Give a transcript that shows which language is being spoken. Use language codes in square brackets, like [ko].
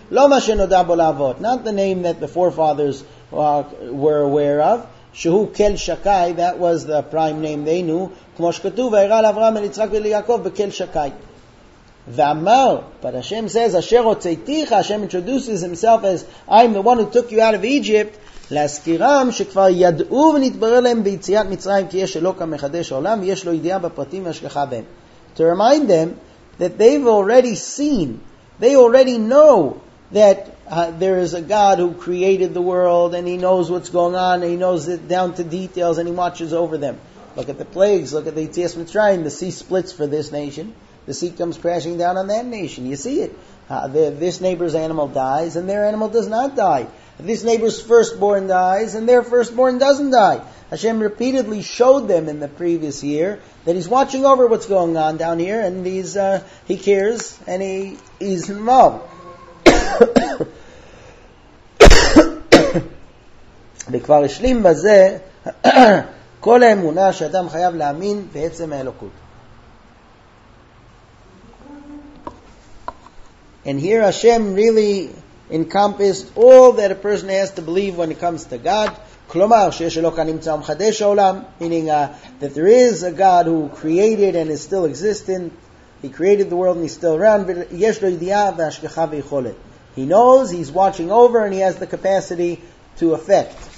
[en] Not the name that the forefathers were aware of. Shehu Kel Shakai, that was the prime name they knew. [he] כמו שכתוב, והראה לאברהם וליצחק וליעקב בקל שקי. ואמר, [en] but Hashem says, [he] אשר הוצאתיך, [en] Hashem introduces himself as, I'm the one who took you out of Egypt, [he] להזכירם שכבר ידעו ונתברר להם ביציאת מצרים, כי יש אלוק המחדש העולם, ויש לו ידיעה בפרטים והשגחה בהם. [en] To remind them, that they've already seen, they already know, that there is a God who created the world, and he knows what's going on, and he knows it down to details, and he watches over them. Look at the plagues, look at the Yetzias Mitzrayim, the sea splits for this nation, the sea comes crashing down on that nation, you see it. This neighbor's animal dies, and their animal does not die. This neighbor's firstborn dies, and their firstborn doesn't die. Hashem repeatedly showed them in the previous year that he's watching over what's going on down here, and he cares, and he's involved. [he] וכבר השלים בזה כל האמונה שאדם חייב להאמין בעצם האלוקות. [en] And here Hashem really encompassed all that a person has to believe when it comes to God. [he] כלומר שיש אלוקה נמצא ומחדש העולם, [en] meaning that there is a God who created and is still existent. He created the world and he's still around. [he] יש לו ידיעה והשגחה ויכולת. [en] He knows, he's watching over, and he has the capacity to affect.